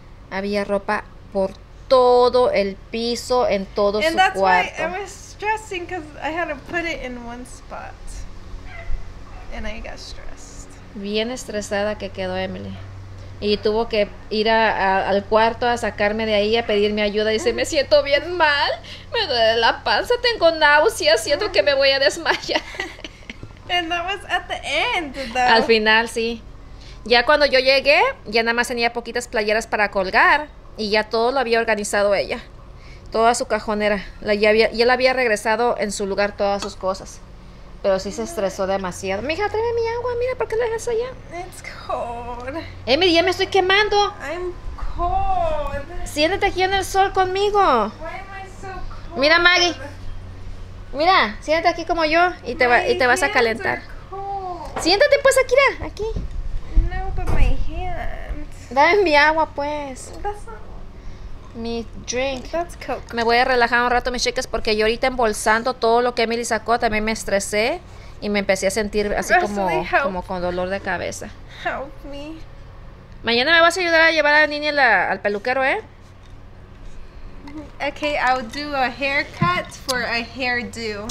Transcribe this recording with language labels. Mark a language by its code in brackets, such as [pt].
[es] Había ropa por todo el piso, en todo [en] and [es] su [en] that's [es] cuarto. [en] Why I was stressing because I had to put it in one spot. And I got stressed. [es] Bien estresada que quedó Emily. Y tuvo que ir al cuarto a sacarme de ahí, a pedirme ayuda. Dice, me siento bien mal. Me duele la panza, tengo náuseas, siento que me voy a desmayar. [en] And that was at the end, though. [es] Al final, sí. Ya cuando yo llegué, ya nada más tenía poquitas playeras para colgar. Y ya todo lo había organizado ella. Toda su cajonera. Ya la había regresado en su lugar todas sus cosas. Pero sí se estresó demasiado. Mija, tráeme mi agua. Mira, ¿por qué la dejas allá? [en] It's cold. [es] Emily, ya me estoy quemando. [en] I'm cold. [es] Siéntate aquí en el sol conmigo. [en] Why am I so cold? [es] Mira, Maggie. Mira, siéntate aquí como yo y te vas a calentar. [en] My hands are cold. [es] Siéntate, pues, Akira, aquí. [en] No, but my hands. [es] Dame mi agua, pues. [en] That's not... [es] Mi drink. [en] That's Coke. [es] Me voy a relajar un rato, mis chicas, porque yo ahorita embolsando todo lo que Emily sacó, también me estresé y me empecé a sentir así como con dolor de cabeza. [en] Help me. [es] Mañana me vas a ayudar a llevar a la niña al peluquero, ¿eh? [en] Okay, I'll do a haircut for a hairdo.